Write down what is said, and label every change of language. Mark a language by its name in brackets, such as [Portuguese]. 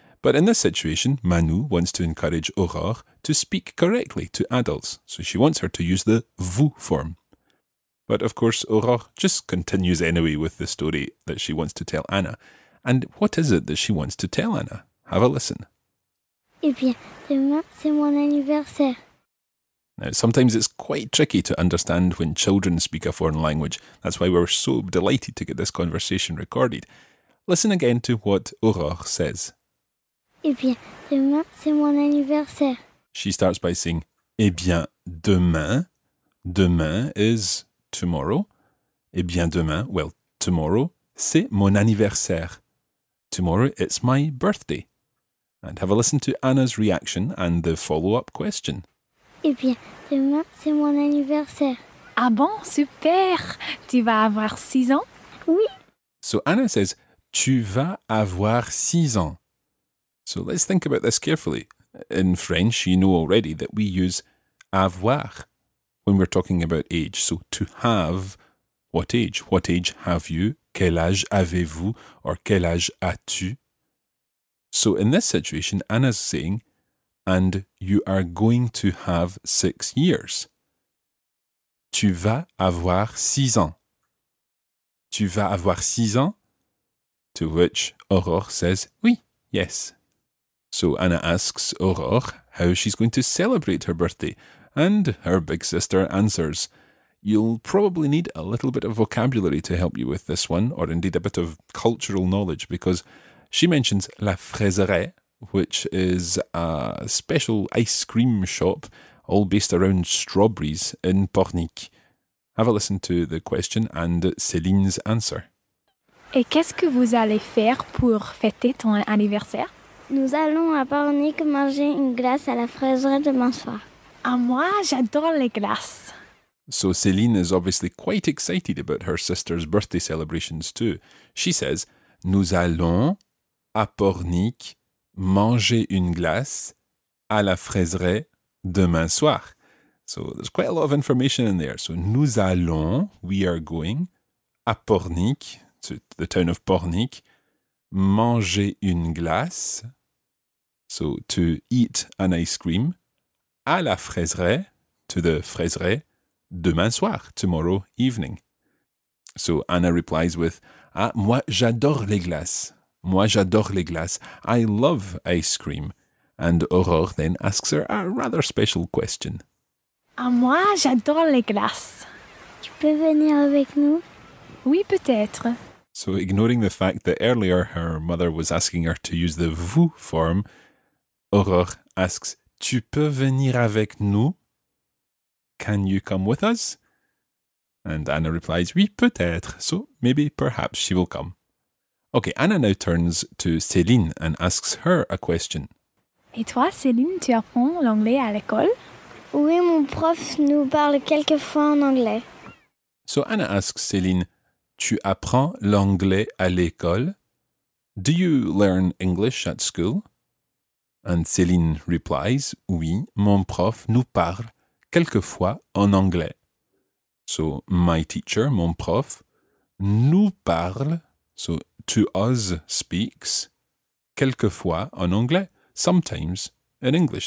[English] But in this situation, Manu wants to encourage Aurore to speak correctly to adults, so she wants her to use the vous form. But of course, Aurore just continues anyway with the story that she wants to tell Anna. And what is it that she wants to tell Anna? Have a listen. [French] Eh bien, demain, c'est mon anniversaire. [English] Now, sometimes it's quite tricky to understand when children speak a foreign language. That's why we're so delighted to get this conversation recorded. Listen again to what Aurore says. [French] Eh bien, demain, c'est mon anniversaire. [English] She starts by saying, [French] eh bien, demain. [English] Demain is tomorrow. [French] Eh bien, demain, [English] well, tomorrow, [French] c'est mon anniversaire. [English] Tomorrow, it's my birthday. And have a listen to Anna's reaction and the follow-up question. [French] Eh bien, demain, c'est mon anniversaire. Ah bon, super! Tu vas avoir 6 ans? Oui. [English] So Anna says, [French] tu vas avoir 6 ans. [English] So let's think about this carefully. In French, you know already that we use avoir when we're talking about age. So to have, what age? What age have you? [French] Quel âge avez-vous? Or quel âge as-tu? [English] So in this situation, Anna's saying, and you are going to have 6 years. [French] Tu vas avoir 6 ans. Tu vas avoir 6 ans? [English] To which Aurore says, oui, yes. So Anna asks Aurore how she's going to celebrate her birthday. And her big sister answers, you'll probably need a little bit of vocabulary to help you with this one, or indeed a bit of cultural knowledge, because she mentions La Fraiserie, which is a special ice cream shop all based around strawberries in Pornic. Have a listen to the question and Céline's answer. [French] Et qu'est-ce que vous allez faire pour fêter ton anniversaire? Nous allons à Pornic manger une glace à la fraiserie demain soir. Ah, moi, j'adore les glaces. [English] So Céline is obviously quite excited about her sister's birthday celebrations too. She says, [French] nous allons à Pornic manger une glace à la fraiserie demain soir. [English] So there's quite a lot of information in there. So [French] nous allons, [English] we are going, [French] à Pornic, [English] to the town of Pornic, [French] manger une glace, [English] so to eat an ice cream, [French] à la fraiserie, [English] to the fraiserie, [French] demain soir, [English] tomorrow evening. So Anna replies with, [French] ah, moi j'adore les glaces. Moi j'adore les glaces. [English] I love ice cream. And Aurore then asks her a rather special question. [French] Ah, moi j'adore les glaces. Tu peux venir avec nous? Oui, peut-être. [English] So ignoring the fact that earlier her mother was asking her to use the vous form, Aurore asks, [French] tu peux venir avec nous? [English] Can you come with us? And Anna replies, [French] oui, peut-être. [English] So maybe, perhaps, she will come. Okay, Anna now turns to Céline and asks her a question. [French] Et toi, Céline, tu apprends l'anglais à l'école? Oui, mon prof nous parle quelquefois en anglais. [English] So Anna asks Céline, [French] tu apprends l'anglais à l'école? [English] Do you learn English at school? And Céline replies, [French] oui, mon prof nous parle quelquefois en anglais. [English] So, my teacher, [French] mon prof, nous parle, [English] so to us speaks, [French] quelquefois en anglais, [English] sometimes in English.